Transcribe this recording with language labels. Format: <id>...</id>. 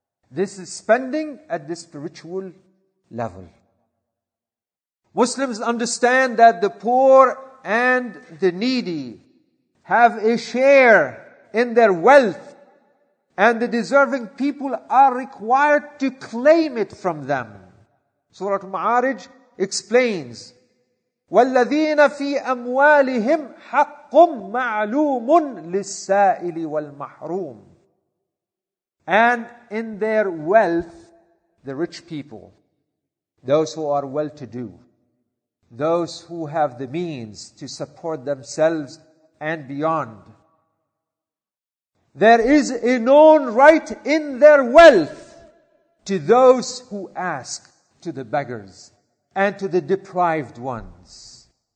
<en>This is spending at the spiritual level. Muslims understand that the poor and the needy have a share in their wealth, and the deserving people are required to claim it from them. Surah Ma'arij explains,</en> <ar>وَالَّذِينَ فِي أَمْوَالِهِمْ حَقٌّ مَعْلُومٌ لِلسَّائِلِ وَالْمَحْرُومِ.</ar> <en>And in their wealth, the rich people, those who are well-to-do, those who have the means to support themselves and beyond, there is a known right in their wealth to those who ask, to the beggars and to the deprived ones.</en>